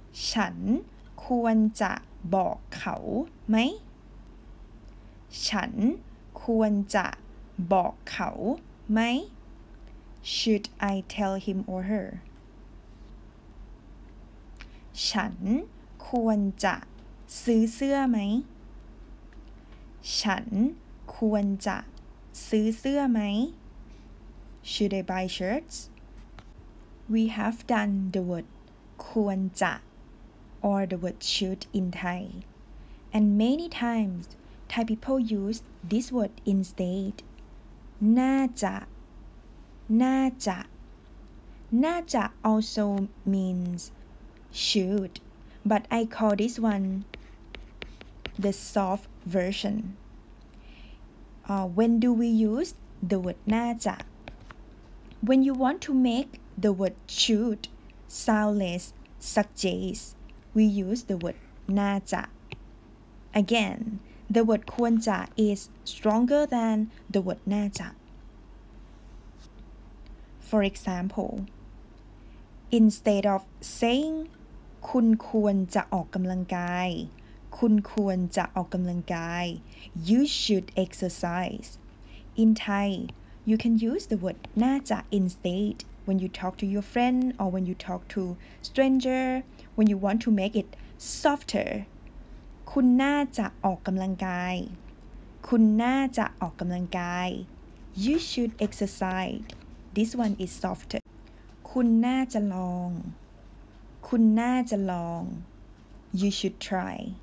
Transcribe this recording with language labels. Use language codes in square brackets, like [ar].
[th] ฉันควรจะบอกเขาไหมฉันควรจะบอกเขาไหม [en] Should I tell him or her? [th] ฉันควรจะซื้อเสื้อไหมฉันควรจะซื้อเสื้อไหม [en] Should I buy shirts? We have done the word ควรจะ or the word should in Thai. And many times, Thai people use this word instead. น่าจะน่าจะน่าจะ also means should, but I call this one the soft version. When do we use the word น่าจะ? When you want to make the word should sound less suggest, we use the word น่าจะ. Again, the word ควรจะ is stronger than the word น่าจะ. For example, instead of saying [th] คุณควรจะออกกำลังกายคุณควรจะออกกำลังกาย [en] You should exercise. In Thai, you can use the word น่าจะ instead when you talk to your friend or when you talk to stranger when you want to make it softer. [th] คุณน่าจะออกกำลังกายคุณน่าจะออกกำลังกาย [en] You should exercise. This one is softer. [th] คุณน่าจะลองคุณน่าจะลอง [en] You should try.